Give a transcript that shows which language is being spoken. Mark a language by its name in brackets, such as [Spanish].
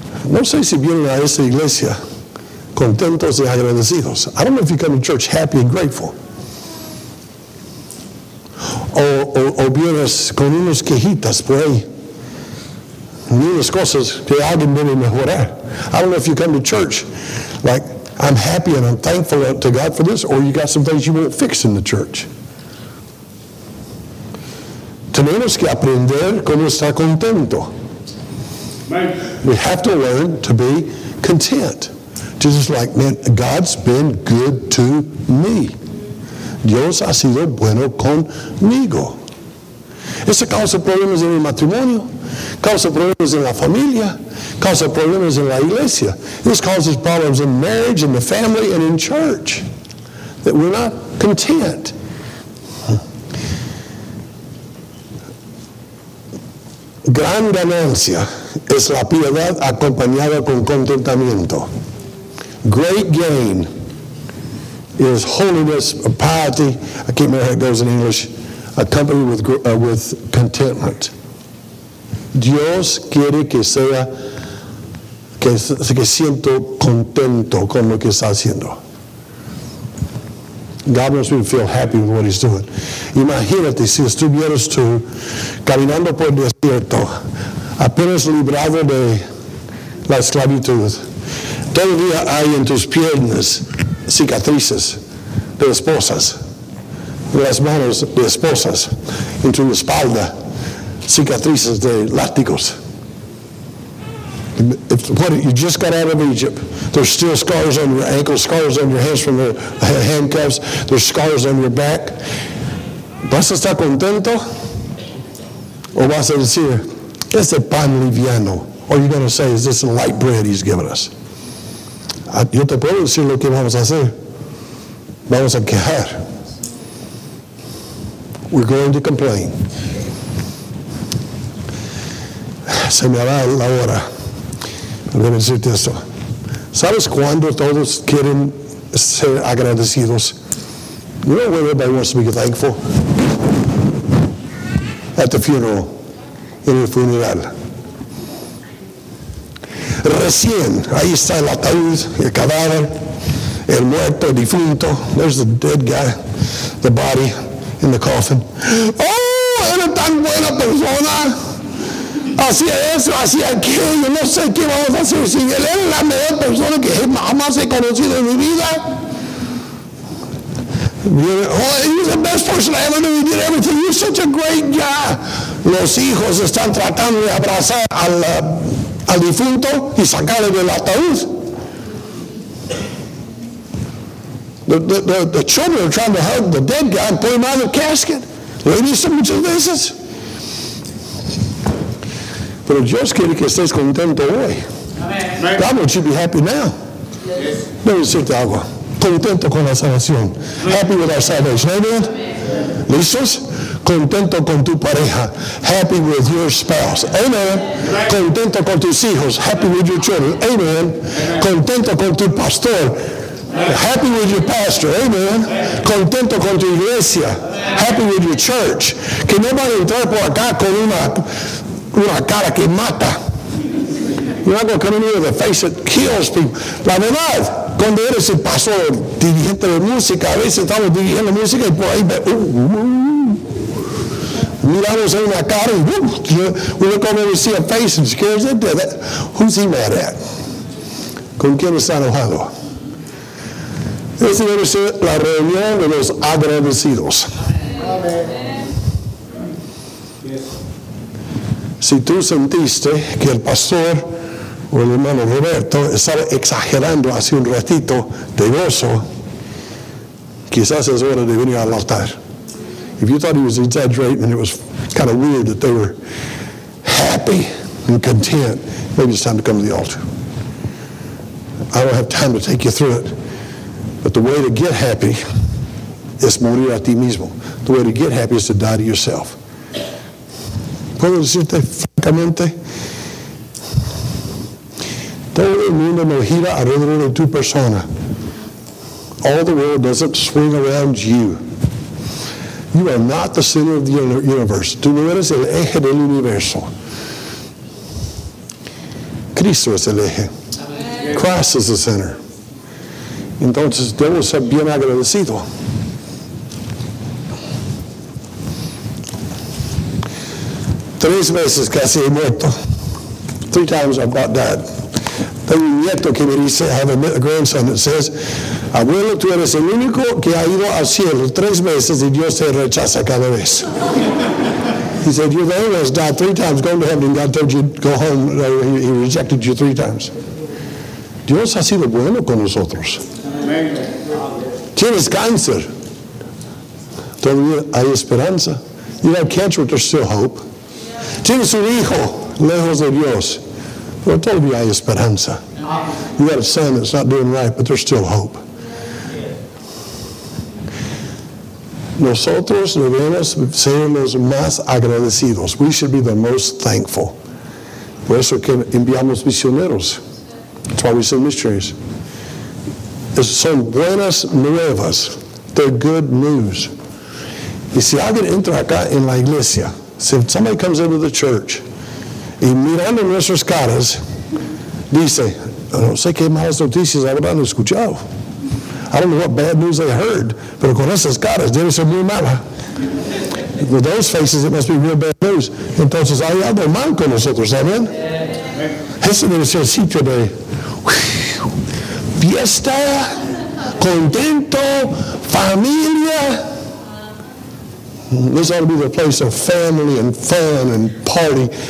[Spanish] No sé si vienen a esta iglesia contentos y agradecidos. [English] I don't know if you come to church happy and grateful. [Spanish] O vienes con unas quejitas por ahí. Ni unas cosas que alguien debe mejorar. [English] I don't know if you come to church like I'm happy and I'm thankful to God for this, or you got some things you won't fix in the church. [Spanish] Tenemos que aprender cómo estar contento. Man. [English] We have to learn to be content. Jesus, like, man, God's been good to me. [Spanish] Dios ha sido bueno conmigo. Eso causa problemas en el matrimonio, causa problemas en la familia, causa problemas en la iglesia. [English] This causes problems in marriage, in the family, and in church. That we're not content. [Spanish] Gran ganancia es la piedad acompañada con contentamiento. [English] Great gain is holiness, piety. I can't remember how it goes in English. Accompanied with contentment. [Spanish] Dios quiere que sea que siento contento con lo que está haciendo. [English] God wants me to feel happy with what he's doing. [Spanish] Imagínate si estuvieras tú caminando por desierto, apenas librado de la esclavitud. Todavía hay en tus piernas cicatrices de esposas, de las manos de esposas, en tu espalda cicatrices de látigos. [English] You just got out of Egypt. There's still scars on your ankles, scars on your hands from the handcuffs. There's scars on your back. [Spanish] ¿Vas a estar contento? ¿O vas a decir, es el pan liviano? [English] Or you're going to say, is this the light bread he's given us? [Spanish] Yo te puedo decir lo que vamos a hacer. Vamos a quejar. [English] We're going to complain. [Spanish] Se me va la hora. Voy a decirte esto. ¿Sabes cuándo todos quieren ser agradecidos? [English] You know when everybody wants to be thankful? At the funeral. [Spanish] En el funeral. Recién, ahí está el ataúd, el cadáver, el muerto, el difunto. [English] There's the dead guy, the body in the coffin. [Spanish] ¡Oh, era tan buena persona! Hacía eso, hacía aquello, no sé qué vamos a hacer sin él. Él es la mejor persona que jamás he conocido en mi vida. [English] Oh, he was the best person I ever knew. He did everything. He was such a great guy. [Spanish] Los hijos están tratando de abrazar al difunto y sacarle del ataúd. [English] The children are trying to hug the dead guy and put him out of the casket. Ladies, some of these things. [Spanish] Pero Dios quiere que estés contento hoy. [English] God wants you to be happy now. Yes. [Spanish] Debo decirte algo. Contento con la salvación. Amen. [English] Happy with our salvation. [Spanish] Amen. Amen. ¿Listos? Contento con tu pareja. [English] Happy with your spouse. [Spanish] Amen. Amen. Contento con tus hijos. [English] Happy with your children. [Spanish] Amen. Amen. Contento con tu pastor. Amen. [English] Happy with your pastor. [Spanish] Amen. Amen. Contento con tu iglesia. Amen. [English] Happy with your church. [Spanish] Que no van a entrar por acá con una cara que mata. [English] You're not going to come in with a face that kills people. [Spanish] La verdad, cuando eres el pastor dirigente de música, a veces estamos dirigiendo música y por ahí miramos en una cara y [English] we're going to see a face that scares them. Who's he mad at? [Spanish] ¿Con quién está enojado? Esa debe ser la reunión de los agradecidos. Si tú sentiste que el pastor o el hermano Roberto estaba exagerando hace un ratito de gozo, quizás es hora de venir al altar. [English] If you thought he was exaggerating and it was kind of weird that they were happy and content, maybe it's time to come to the altar. I don't have time to take you through it, but the way to get happy is [Spanish] morir a ti mismo. [English] The way to get happy is to die to yourself. [Spanish] Puedo decirte francamente, todo el mundo no gira alrededor de tu persona. [English] All the world doesn't swing around you. You are not the center of the universe. [Spanish] Tú no eres el eje del universo. Cristo es el eje. Amen. [English] Christ is the center. [Spanish] Entonces debo ser bien agradecido. Tres veces casi he muerto. [English] Three times I've about died. [Spanish] Tengo un nieto que me dice, [English] I have a grandson that says, [Spanish] abuelo, tú eres el único que ha ido al cielo tres veces y Dios te rechaza cada vez. [English] He said, you've always died three times going to heaven and God told you to go home. He rejected you three times. [Spanish] Dios ha sido bueno con nosotros. Amen. Tienes cáncer. Todavía hay esperanza. [English] You have cancer, but there's still hope. [Spanish] Tienes un hijo lejos de Dios, pero todavía hay esperanza. [English] You got a son that's not doing right, but there's still hope. [Spanish] Nosotros debemos ser los más agradecidos. [English] We should be the most thankful. [Spanish] Por eso que enviamos misioneros. [English] That's why we send missionaries. [Spanish] Son buenas nuevas. [English] They're good news. [Spanish] Y si alguien entra acá en la iglesia, [English] so if somebody comes into the church [Spanish] y mirando nuestras caras dice, no sé qué malas noticias habrán escuchado. [English] I don't know what bad news they heard, but of course, that's God. It's Dennis and Mama. With those faces, it must be real bad news. [Spanish] Entonces, ahí habla mal con nosotros, ¿amen? Ese debe ser el sitio de fiesta, contento, familia. [English] This ought to be the place of family and fun and party.